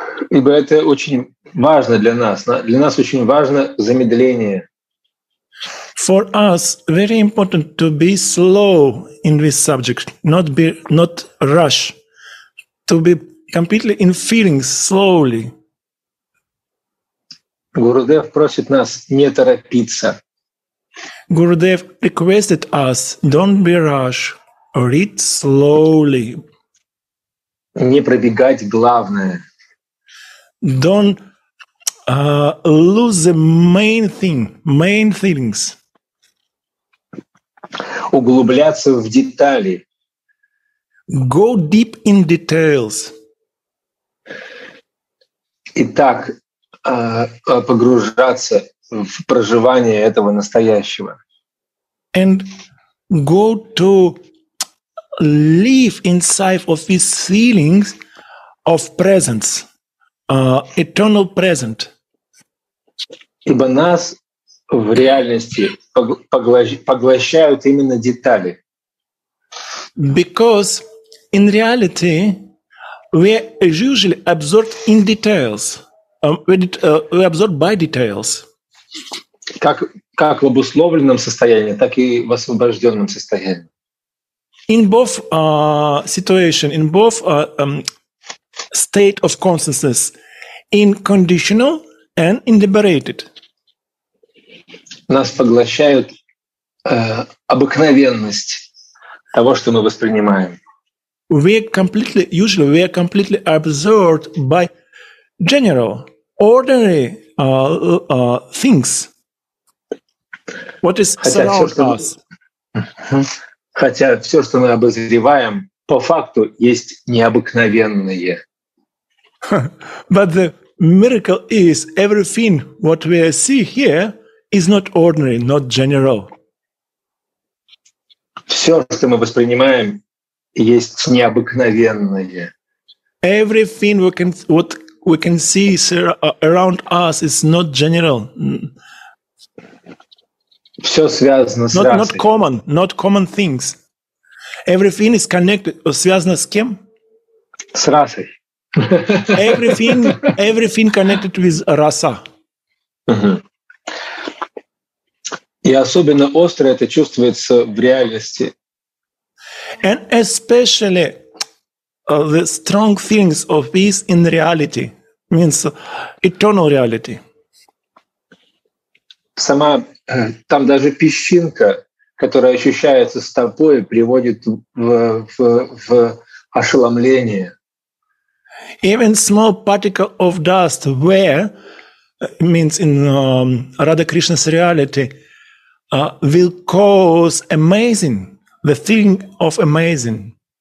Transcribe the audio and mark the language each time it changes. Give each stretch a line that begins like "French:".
Russian: Ибо это очень важно для нас. Для нас очень важно замедление.
English: For us, very important to be slow in this subject, not rush, to be completely in feelings, slowly.
Russian: Гурудев просит нас не торопиться.
English: Gurudev requested us, don't be rush, read slowly.
Russian: Не пробегать главное.
English: Don't lose the main thing, main feelings.
Russian: Углубляться в детали.
English: Go deep in details.
Russian: Итак, погружаться в проживание этого настоящего.
English: And go to live inside of these feelings of presence, eternal present.
Russian: Ибо нас в реальности поглощают именно детали.
English: Because in reality we usually absorbed in details. We absorbed by details.
Russian: Как в обусловленном состоянии, так и в освобожденном состоянии.
English: In both situation, in both state of consciousness, in conditional and in liberated.
Russian: Нас поглощают обыкновенность того, что мы воспринимаем.
English: We are completely absorbed by general, ordinary things. What is surrounding us?
Russian: Хотя все, что мы обозреваем, по факту есть необыкновенное.
English: But the miracle is everything what we see here is not ordinary, not general.
Russian: Все, что мы воспринимаем, есть необыкновенное.
English: Everything what we can see around us is not general.
Russian: Все связано с расой.
English: Not common things. Everything is connected.
Russian: Связано с кем? С расой.
English: Everything connected with раса.
Russian: И особенно остро это чувствуется в реальности.
English: And especially the strong things of this in reality means eternal reality.
Russian: Сама там даже песчинка, которая ощущается стопой, приводит в ошеломление.
English: Even small particle of dust where means in Radha Krishna's reality will cause amazing, the thing of amazing.